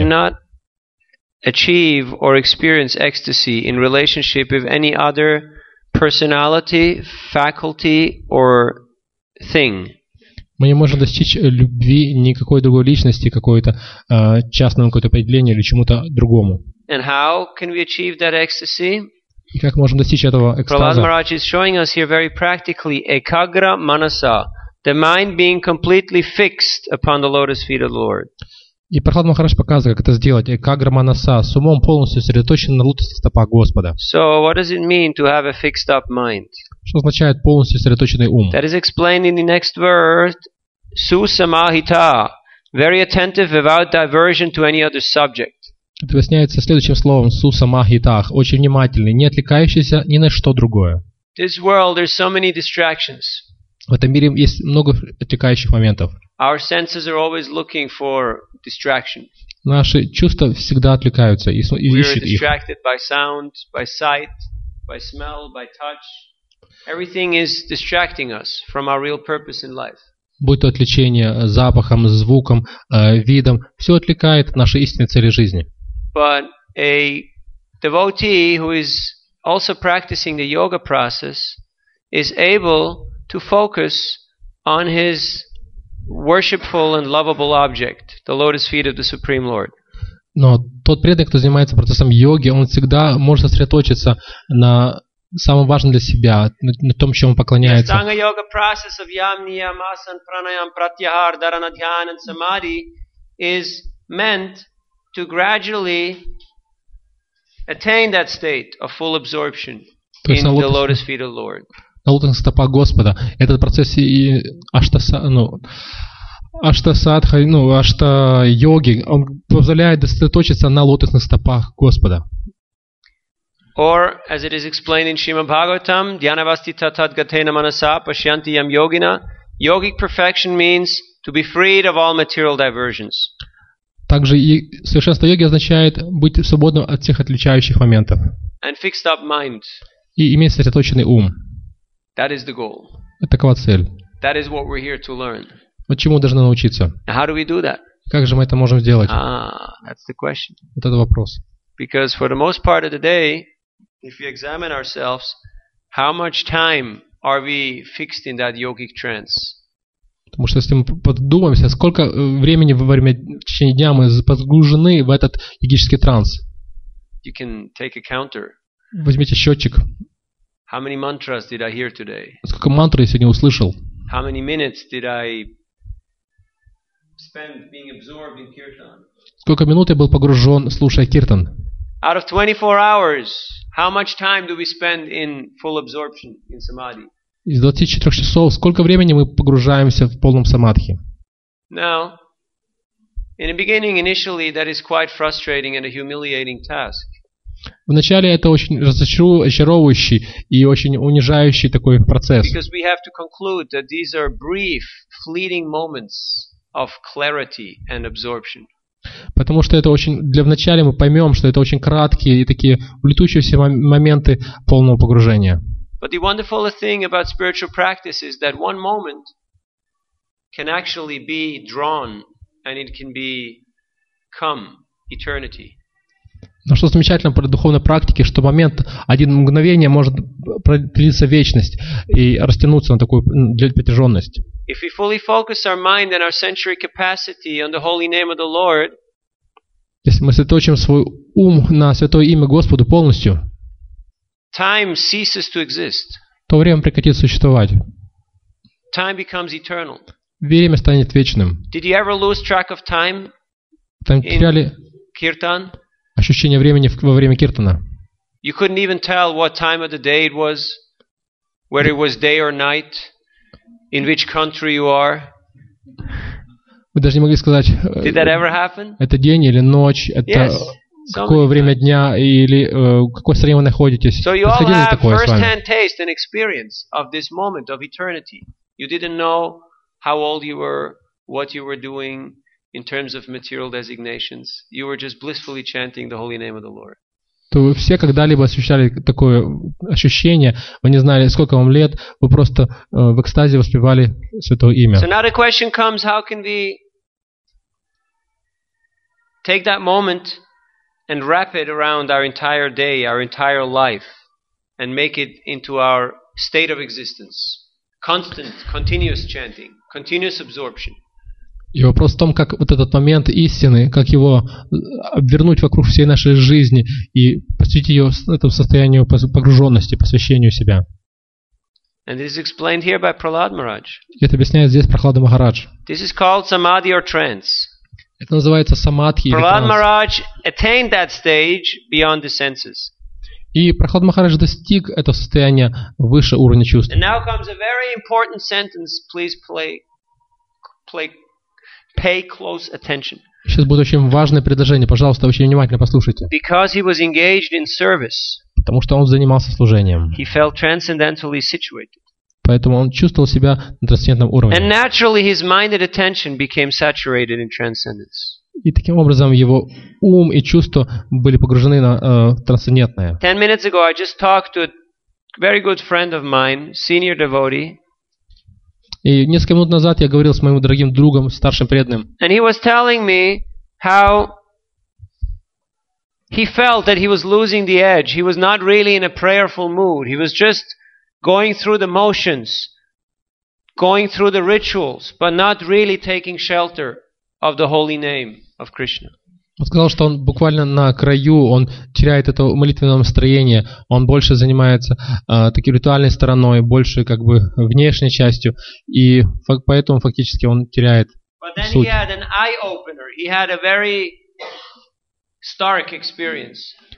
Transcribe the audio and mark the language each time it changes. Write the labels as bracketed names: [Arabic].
[English] We cannot achieve or experience ecstasy in relationship with any other personality, faculty or thing. [Russian] Мы не можем достичь любви никакой другой личности, какой-то частному какое-то определению или чему-то другому. [English] And how can we achieve that ecstasy? [Russian] И как можем достичь этого экстаза? [English] Prahlad Maharaj is showing us here very practically ekagra manasa, the mind being completely fixed upon the lotus feet of the Lord. [Russian] И Прахлад Махарадж показывает, как это сделать. Экагра манаса, с умом полностью сосредоточен на лотосных стопах Господа. [English] So what does it mean to have a fixed up mind? [Russian] Что означает полностью сосредоточенный ум? [English] That is explained in the next verse, susamahita, very attentive without diversion to any other subject. [Russian] Это объясняется следующим словом, susamahitah, очень внимательный, не отвлекающийся ни на что другое. [English] This world, there's so many distractions. [Russian] В этом мире есть много отвлекающих моментов. [English] Our senses are always looking for distraction. [Russian] Наши чувства всегда отвлекаются и ищут их. [English] We are distracted by sound, by sight, by smell, by touch. Everything is distracting us from our real purpose in life. [Russian] Будь то отвлечение запахом, звуком, видом, все отвлекает от нашей истинной цели жизни. [English] But a devotee who is also practicing the yoga process is able to focus on his worshipful and lovable object, the lotus feet of the Supreme Lord. [Russian] Но тот преданный, кто занимается процессом йоги, он всегда может сосредоточиться на самом важном для себя, на том, чему поклоняется. [English] Ashtanga yoga process of yam, niyam, asan, pranayam, pratyahara, dharana, dhyana, and samadhi is meant to gradually attain that state of full absorption in the lotus feet of the Lord. [Russian] На лотосных стопах Господа. Этот процесс ашта-йоги, он позволяет сосредоточиться на лотосных стопах Господа. [English] Or, as it is explained in Shrimad Bhagavatam, Dhyanavastita Tadgatena Manasa Pashyanti Yam Yogina, yogic perfection means to be freed of all material diversions. [Russian] Также и совершенство йоги означает быть свободным от всех отвлекающих моментов. [English] And fixed up mind. [Russian] И иметь сосредоточенный ум. [English] That is the goal. [Russian] Такова цель. [English] That is what we're here to learn. [Russian] Вот чему должны научиться. [English] Now, how do we do that? [Russian] Как же мы это можем сделать? [English] That's the question. [Russian] Вот это вопрос. [English] Because for the most part of the day, if we examine ourselves, how much time are we fixed in that yogic trance? [Russian] Потому что если мы подумаемся, сколько времени во время в течение дня мы погружены в этот йогический транс? [English] You can take a counter. [Russian] Возьмите счетчик. [English] How many mantras did I hear today? [Russian] Сколько мантр я сегодня услышал? [English] How many minutes did I spend being absorbed in kirtan? [Russian] Сколько минут я был погружен, слушая киртан? [English] Out of 24 hours, how much time do we spend in full absorption in samadhi? [Russian] Из 24 часов сколько времени мы погружаемся в полном самадхи? [English] Now, in the beginning, initially, that is quite frustrating and a humiliating task. [Russian] Вначале это очень разочаровывающий и очень унижающий такой процесс. [English] Because we have to conclude that these are brief, fleeting moments of clarity and absorption. [Russian] Потому что это очень для вначале мы поймем, что это очень краткие и такие влетучиеся моменты полного погружения. [English] But the wonderful thing about spiritual practice is that one moment can actually be drawn and it can become eternity. [Russian] Но что замечательно про духовной практике, что момент, один мгновение может продлиться вечность и растянуться на такую протяженность. [English] If we fully focus our mind and our sensory capacity on the holy name of the Lord, [Russian] если мы сосредоточим свой ум на святое имя Господу полностью, [English] time ceases to exist. [Russian] То время прекратит существовать. [English] Time becomes eternal. [Russian] Время станет вечным. [English] Did you ever lose track of time? [Russian] Там теряли киртан? Ощущение времени во время киртана. [English] You couldn't even tell what time of the day it was, whether it was day or night, in which country you are. [Russian] Вы даже не могли сказать. [English] Did that ever happen? [Russian] Это день или ночь? Это [English] yes, [Russian] какое время дня или какой стране вы находитесь? [English] So you all have first-hand taste and experience of this moment of eternity. You didn't know how old you were, what you were doing. In terms of material designations, you were just blissfully chanting the holy name of the Lord. [Russian] То вы все когда-либо ощущали такое ощущение, вы не знали, сколько вам лет, вы просто в экстазе воспевали святое имя. [English] So now the question comes, how can we take that moment and wrap it around our entire day, our entire life, and make it into our state of existence? Constant, continuous chanting, continuous absorption. [Russian] И вопрос в том, как вот этот момент истины, как его обвернуть вокруг всей нашей жизни и посвятить ее этому состоянию погруженности, посвящению себя. [English] And this is explained here by Prahlad Maharaj. [Russian] Это объясняет здесь Прахлада Махарадж. [English] This is called samadhi or trance. [Russian] Это называется самадхи или [English] транс. Prahlad Maharaj attained that stage beyond the senses. [Russian] И Прахлада Махарадж достиг этого состояния выше уровня чувств. [English] And now comes a very important sentence. Please play. Pay close attention. [Russian] Сейчас будет очень важное предложение. Пожалуйста, очень внимательно послушайте. [English] Because he was engaged in service. [Russian] Потому что он занимался служением. [English] He felt transcendentally situated. [Russian] Поэтому он чувствовал себя на трансцендентном уровне. [English] And naturally his mind and attention became saturated in transcendence. [Russian] И таким образом его ум и чувства были погружены на трансцендентное. [English] 10 minutes ago I just talked to a very good friend of mine, senior devotee. [Russian] И несколько минут назад я говорил с моим дорогим другом, старшим преданным. [English] And he was telling me how he felt that he was losing the edge. He was not really in a prayerful mood. He was just going through the motions, going through the rituals, but not really taking shelter of the holy name of Krishna. [Russian] Он сказал, что он буквально на краю, он теряет это молитвенное настроение, он больше занимается такой ритуальной стороной, больше как бы внешней частью, и поэтому фактически он теряет [English] суть. But then he had an eye-opener. He had a very stark experience.